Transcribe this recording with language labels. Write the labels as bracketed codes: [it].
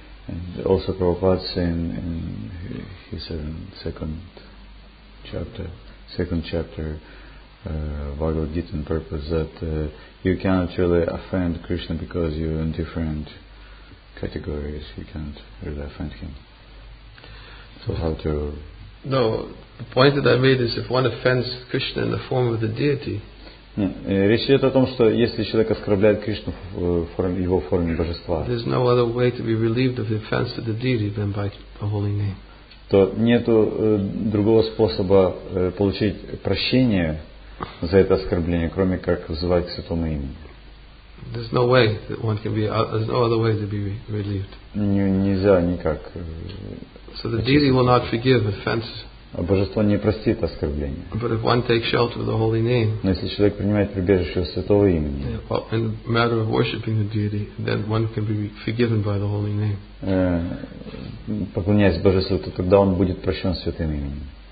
[en] And also Prabhupada said in his second chapter, Bhagavad Gita purpose, that you cannot really offend Krishna because you're in different categories. You can't really offend him. So how to... No, the point that I made is if one offends Krishna in the form of the deity... [ru] Речь идет о том, что если человек оскорбляет Кришну в его форме божества, [en] there's no other way to be relieved of the offense to the deity than by a holy name. [ru] То нету другого способа получить прощение за это оскорбление, кроме как взывать к святому имени. [en] There's no way that one can be. There's no other way to be relieved. [ru] Нельзя никак. [en] So the deity will not forgive offenses. [ru] А божество не простит оскорбление. [en] But if one takes shelter of the holy name, [ru] но если человек принимает прибежище у святого имени, [en] in the matter of worshiping the deity, then one can be forgiven by the holy name. [ru] Поклоняясь божеству, то тогда он будет прощен святым именем.